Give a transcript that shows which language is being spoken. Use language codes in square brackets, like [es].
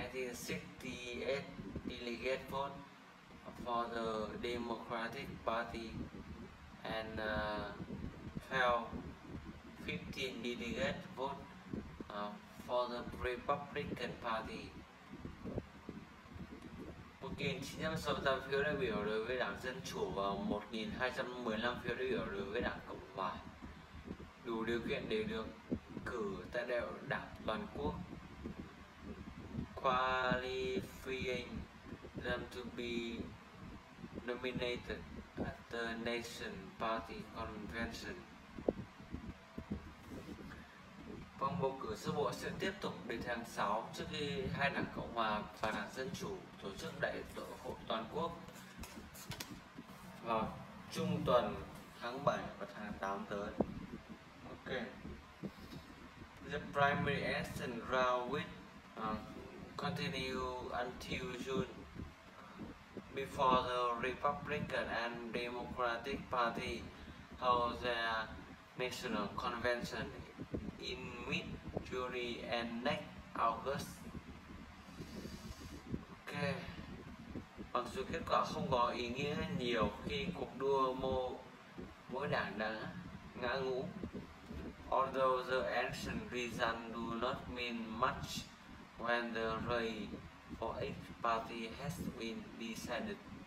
[en] 1.968 delegate vote for the Democratic Party and fell 15 delegate vote for the Republican Party. [vi] 1.968 phiếu đại biểu đối với Đảng Dân Chủ và 1.215 phiếu đại biểu đối với Đảng Cộng Hòa đủ điều kiện để được cử tại đại hội đảng toàn quốc, [en] qualifying them to be nominated at the nation party convention. [vi] Vòng bầu cử sơ bộ sẽ tiếp tục đến tháng 6 trước khi hai đảng Cộng Hòa và Đảng Dân Chủ tổ chức đại hội toàn quốc vào trung tuần tháng 7 và tháng 8 tới. [en] Ok. The primary election round will continue until June before the Republican and Democratic Party hold their national convention in mid-July and next August. Ok. [vi] Mặc dù kết quả không có ý nghĩa nhiều khi cuộc đua mỗi đảng đã ngã ngũ. [en] Although the election results do not mean much when the race for each party has been decided.